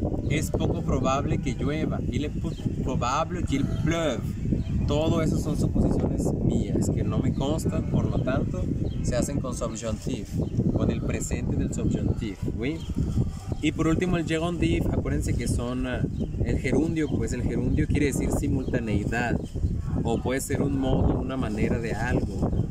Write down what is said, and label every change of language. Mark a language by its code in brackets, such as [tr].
[es] Es poco probable que llueva. [fr] Il est probable qu'il pleuve. [es] Todo eso son suposiciones mías que no me constan, por lo tanto, se hacen con subjuntivo, con el presente del subjuntivo. [fr] ¿Oui? [es] Y por último, el gerundio, acuérdense que son el gerundio, pues el gerundio quiere decir simultaneidad, o puede ser un modo, una manera de algo.